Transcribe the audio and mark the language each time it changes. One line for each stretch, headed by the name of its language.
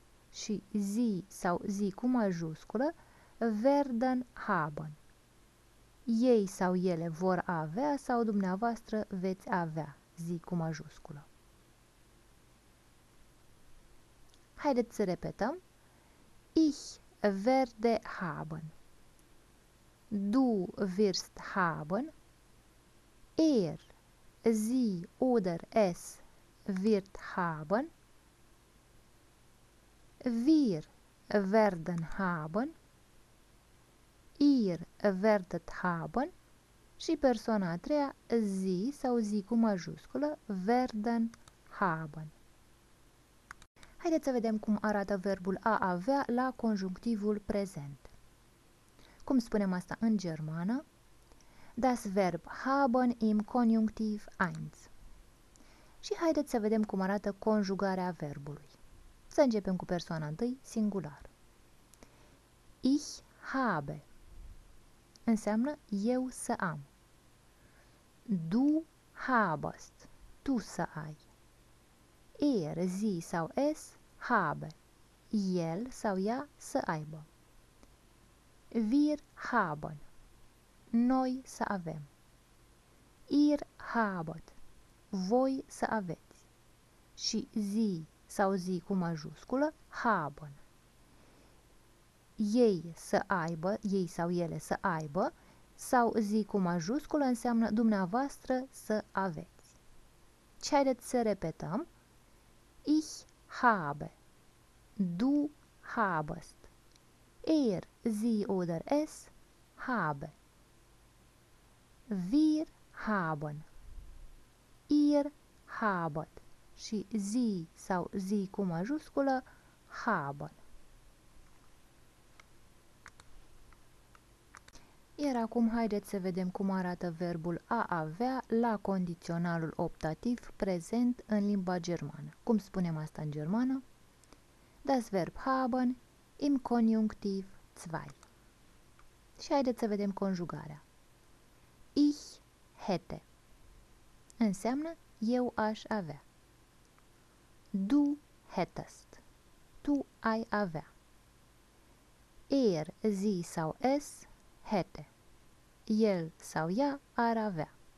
Romanian: Și sie sau sie cu majusculă
German: werden haben.
Romanian: Ei sau ele vor avea sau dumneavoastră veți avea, zi cu majusculă. Haideți să repetăm.
German: Ich werde haben. Du wirst haben. Sie oder es wird haben. Wir werden haben. Ihr werdet haben
Romanian: și persoana a treia, sie sau sie cu majusculă,
German: werden haben.
Romanian: Haideți să vedem cum arată verbul a avea la conjunctivul prezent. Cum spunem asta în germană?
German: Das Verb haben im Konjunktiv 1.
Romanian: Și haideți să vedem cum arată conjugarea verbului. Să începem cu persoana întâi, singular.
German: Ich habe.
Romanian: Înseamnă eu să am.
German: Du habest.
Romanian: Tu să ai.
German: Sie sau es habe.
Romanian: El sau ea să aibă.
German: Wir haben.
Romanian: Noi să avem.
German: Ihr habet.
Romanian: Voi să aveți. Și sie sau sie cu majusculă haben. ei să aibă, ei sau ele să aibă, sau zi cu majusculă înseamnă dumneavoastră să aveți. Ce haideți să repetăm?
German: Ich habe. Du habest. Er, sie oder es habe. Wir haben. Ihr habet.
Romanian: Și zi sau zi cu majusculă haben. Iar acum haideți să vedem cum arată verbul a avea la condiționalul optativ prezent în limba germană. Cum spunem asta în germană?
German: Das Verb haben im Konjunktiv 2.
Romanian: Și haideți să vedem conjugarea.
German: Ich hätte.
Romanian: Înseamnă eu aș avea.
German: Du hättest.
Romanian: Tu ai avea.
German: Er, sie sau es hätte.
Romanian: El sau ea ar avea.